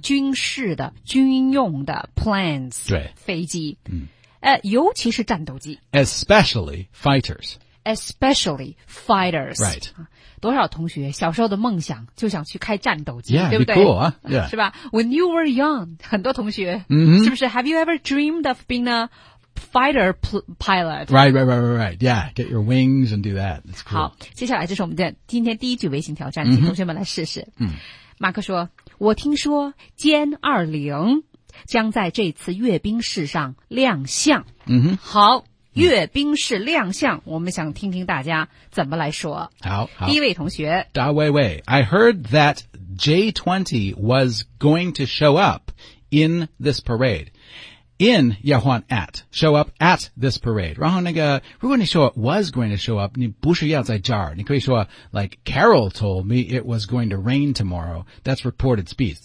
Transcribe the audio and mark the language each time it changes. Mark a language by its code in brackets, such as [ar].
[zh] 军事的军用的 planes. 对。飞机。 [en] Mm-hmm. [zh] 尤其是战斗机。 [en] Especially fighters. Especially fighters. Right. [zh] 多少同学小时候的梦想就想去开战斗机 [en] yeah, [zh] 对不对 [en] cool,、huh? yeah. [zh] 是吧 [en] When you were young, [zh] 很多同学、 [en] mm-hmm. [zh] 是不是 [en] Have you ever dreamed of being a fighter pilot? Right. Yeah, get your wings and do that. That's cool. [zh] 好接下来就是我们的今天第一句微型挑战请、 [en] mm-hmm. [zh] 同学们来试试。 [en] Mm-hmm. [zh] 马克说我听说歼20将在这次阅兵式上亮相。 [en] Mm-hmm. [zh] 好阅兵式亮相我们想听听大家怎么来说。好第一位同学。 [en] Da Wei Wei, I heard that J-20 was going to show up in this parade. In, [zh] 要换 [en] at, show up at this parade. [zh] 然后那个如果你说 [en] was going to show up, [zh] 你不需要在这儿。 [en] 你可以说 like Carol told me it was going to rain tomorrow. That's reported speech.